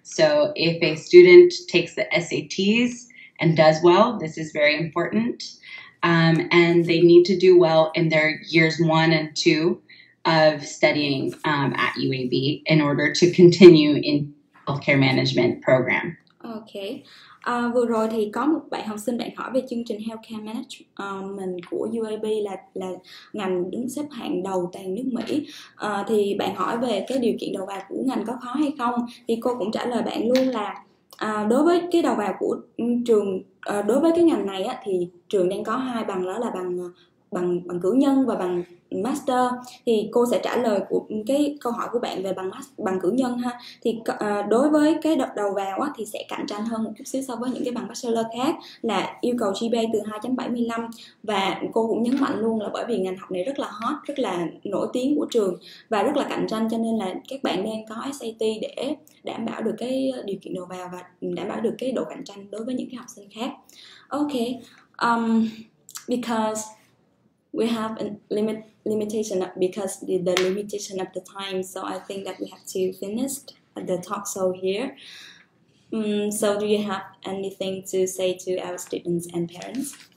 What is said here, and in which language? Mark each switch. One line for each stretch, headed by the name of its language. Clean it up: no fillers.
English: So if a student takes the SATs and does well, this is very important. And they need to do well in their years one and two of studying at UAB in order to continue in healthcare management program. Okay.
Vietnamese: Vừa rồi thì có một bạn học sinh bạn hỏi về chương trình healthcare management của UAB là ngành đứng xếp hạng đầu toàn nước Mỹ. Thì bạn hỏi về cái điều kiện đầu vào của ngành có khó hay không, thì cô cũng trả lời bạn luôn là đối với cái đầu vào của trường, đối với cái ngành này á, thì trường đang có hai bằng, đó là bằng cử nhân và bằng master. Thì cô sẽ trả lời của cái câu hỏi của bạn về bằng cử nhân ha. Thì đối với cái đầu vào á, thì sẽ cạnh tranh hơn một chút xíu so với những cái bằng bachelor khác, là yêu cầu GPA từ 2.75. Và cô cũng nhấn mạnh luôn là bởi vì ngành học này rất là hot, rất là nổi tiếng của trường và rất là cạnh tranh, cho nên là các bạn đang có SAT để đảm bảo được cái điều kiện đầu vào và đảm bảo được cái độ cạnh tranh đối với những cái học sinh khác.
English: Okay, because we have a limitation because the limitation of the time, so I think that we have to finish the talk show here. So do you have anything to say to our students and parents?